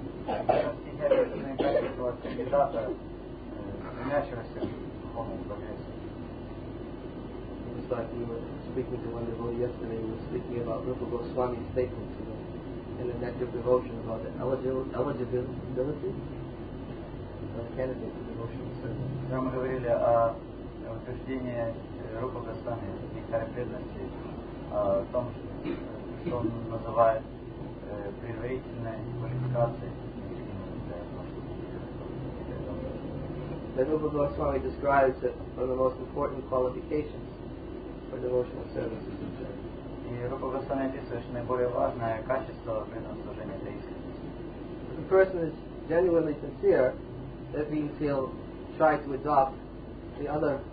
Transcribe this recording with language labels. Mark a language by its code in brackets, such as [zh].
[en] It's like you were speaking to one devotee yesterday, you were speaking about Rupa Goswami's statements in the Nectar of Devotion about the eligibility of the candidate for devotional service. [ru] Утверждение Рупа Госвами и характерности в том, что он называет предварительной квалификацией. [en] Then Rupa Goswami describes that one of the most important qualifications for devotional service. [ru] И Рупа Госвами описывает, что наиболее важное качество преданного служения это искренность. [en] If a person is genuinely sincere, that means he'll try to adopt the other